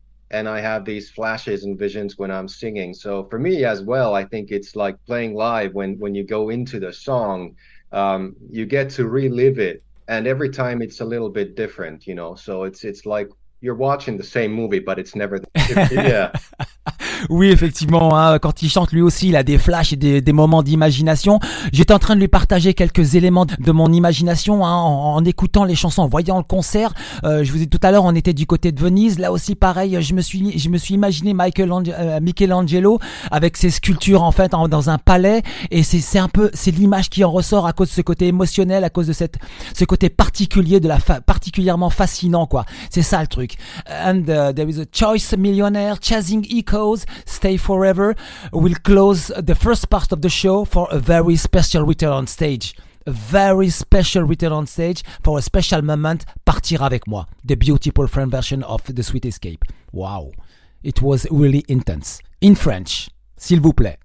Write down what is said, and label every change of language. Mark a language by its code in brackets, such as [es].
[en] And I have these flashes and visions when I'm singing. So for me as well, I think it's like playing live when you go into the song, you get to relive it. And every time it's a little bit different, you know, so it's like you're watching the same movie, but it's never the same. [fr] Oui, effectivement, hein, quand il chante, lui aussi, il a des flashs et des moments d'imagination. J'étais en train de lui partager quelques éléments de mon imagination, hein, en écoutant les chansons, en voyant le concert. Je vous ai dit tout à l'heure, on était du côté de Venise. Là aussi, pareil, je me suis imaginé Michelangelo avec ses sculptures, en fait, dans un palais. Et c'est l'image qui en ressort à cause de ce côté émotionnel, à cause de ce côté particulier, particulièrement fascinant, quoi. C'est ça le truc. [en] And there is a choice millionaire chasing echo. Stay Forever will close the first part of the show for a very special return on stage. A very special return on stage for a special moment. Partir avec moi, the beautiful French version of The Sweet Escape. Wow, it was really intense. In French, [fr] s'il vous plaît.